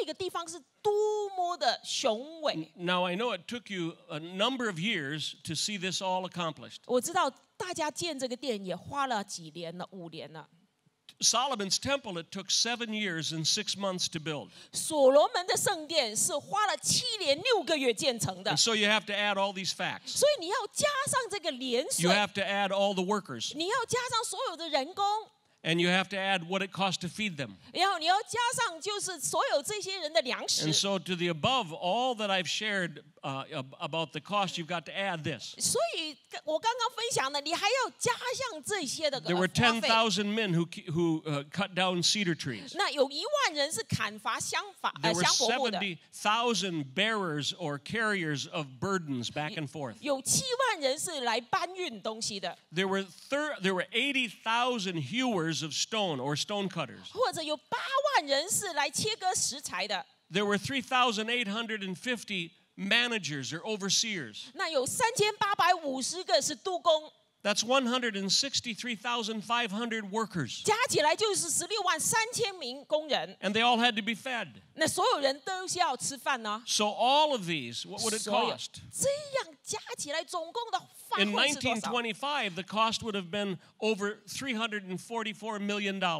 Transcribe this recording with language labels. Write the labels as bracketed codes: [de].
[zh] 因为我要知道那个地方是多么的雄伟。 [en] Now I know it took you a number of years to see this all accomplished. [zh] 我知道大家建这个殿也花了几年了，5年了。 [en] Solomon's temple, it took 7 years and 6 months to build. [zh] 所罗门的圣殿是花了7年6个月建成的。 [en] So you have to add all these facts. [zh] 所以你要加上这个连税。 [en] You have to add all the workers. [zh] 你要加上所有的人工。 [en] And you have to add what it costs to feed them. [zh] 然后你要加上就是所有这些人的粮食。 [en] And so to the above, all that I've shared about the cost, you've got to add this. [zh] 所以我刚刚分享的，你还要加上这些的花费。 [en] There were 10,000 men who cut down cedar trees. [zh] 那有10,000人是砍伐香柏的。 [en] There were 70,000 bearers or carriers of burdens back and forth. [zh] 有7万人是来搬运东西的。 [en] There were 80,000 hewers of stone or stone cutters. [zh] 或者有8万人是来切割石材的。 [en] There were 3,850 managers or overseers. [zh] 那有3,850个是督工。 [en] That's 163,500 workers. [zh] 加起来就是16万3千名工人。 [en] And they all had to be fed. [zh] 那所有人都是要吃饭呢。 [en] So all of these, what would it cost? [zh] 这样加起来总共的花费是多少？ [en] In 1925, the cost would have been over $344 million.